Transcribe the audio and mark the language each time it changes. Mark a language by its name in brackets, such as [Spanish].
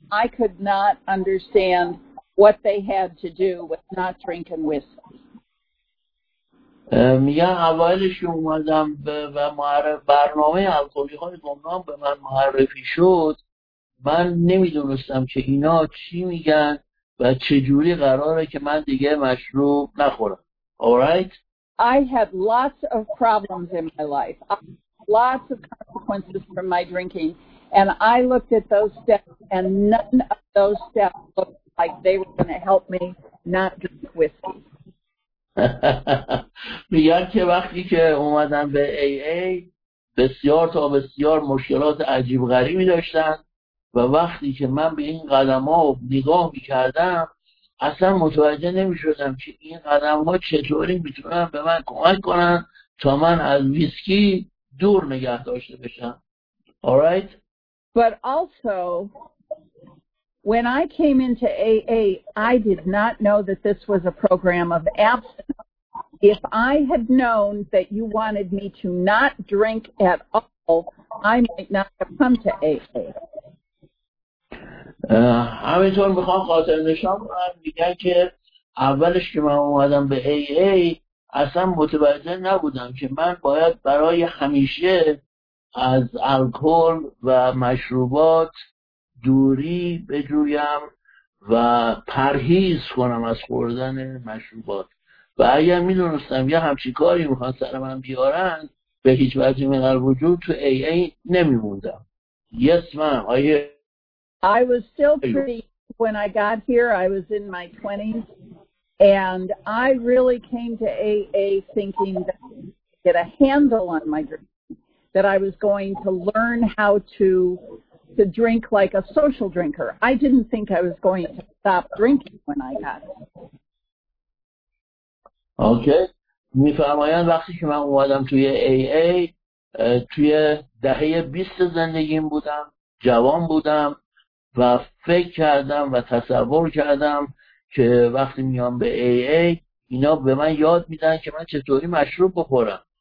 [English] I could not understand what they had to do with not drinking whiskey. [Persian] اولش اومدم و برنامه الکلی‌های گمنام به من معرفی شد. من نمی‌دونستم که اینا چی میگن و چه جوری قراره که من دیگه مشروب نخورم. [English] All right? I had lots of problems in my life. lots of consequences from my drinking. And I looked at those steps, and none of those steps looked like they were going to help me not drink whiskey. [Persian] میگن که وقتی که اومدن به AA بسیار تا بسیار مشکلات عجیب غریبی داشتن و وقتی که من به این قدم ها نگاه میکردم اصلا متوجه نمیشدم که این قدم ها چطوری میتونن به من کمک کنن تا من از ویسکی دور نگه داشته بشم. [English] Alright? But also when I came into AA, I did not know that this was a program of abstinence. If I had known that you wanted me to not drink at all, I might not have come to AA. [Persian] همینطور میخوام خاطر نشان کنم. میگن که اولش که من اومدم به AA اصلا متوجه نبودم که من باید برای همیشه از الکل و مشروبات دوری بجویم و پرهیز کنم از خوردن مشروبات و اگر می دونستم یه همچی کاری میخوان سر من بیارن به هیچ وجه من در وجود تو ای ای نمی موندم. [English] Yes, ma'am. I was still pretty when I got here. I was in my 20s and I really came to AA thinking that I could get a handle on my drink, that I was going to learn how to drink like a social drinker. I didn't think I was going to stop drinking when I got it. Okay. [Persian] می فرمایند وقتی که من اومدم توی AA توی دهه 20 زندگیم بودم، جوان بودم و فکر کردم و تصور کردم که وقتی میام به AA اینا به من یاد میدن که من چطوری مشروب بخورم.